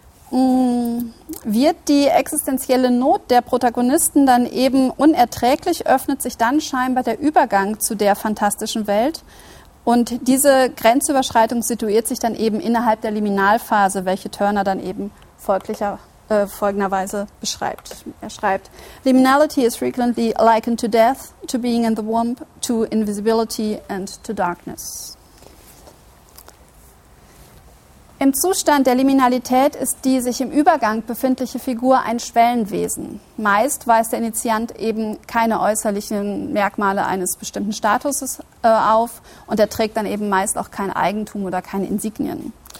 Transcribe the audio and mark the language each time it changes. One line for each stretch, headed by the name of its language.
German: Wird die existenzielle Not der Protagonisten dann eben unerträglich, öffnet sich dann scheinbar der Übergang zu der fantastischen Welt. Und diese Grenzüberschreitung situiert sich dann eben innerhalb der Liminalphase, welche Turner dann eben folgenderweise beschreibt. Er schreibt:
English: Liminality is frequently likened to death, to being in the womb, to invisibility and to darkness.
German: Im Zustand der Liminalität ist die sich im Übergang befindliche Figur ein Schwellenwesen. Meist weist der Initiant eben keine äußerlichen Merkmale eines bestimmten Statuses auf und er trägt dann eben meist auch kein Eigentum oder keine Insignien.